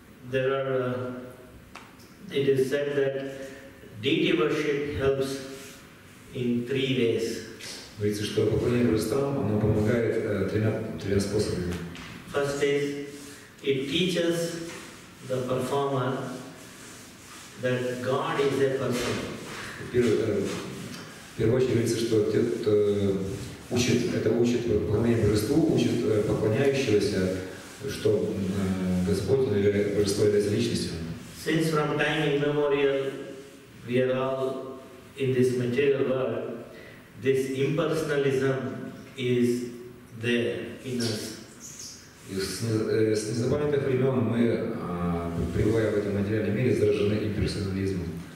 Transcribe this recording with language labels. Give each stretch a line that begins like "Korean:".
English: there are it is said that deity worship helps in three ways.
Russian: Говорится, что поклонение Христам, оно помогает тремя способами.
English: First is it teaches the performer that God is a person.
Russian: В первую очередь говорится, что учит поклонение Божеству, учит поклоняющегося, что Господь или Божество является личностью.
English: Since from time immemorial we are all in this material world, this impersonalism is there in us.
Russian: С незапамятных времен мы, пребывая в этом материальном мире, заражены имперсонализмом.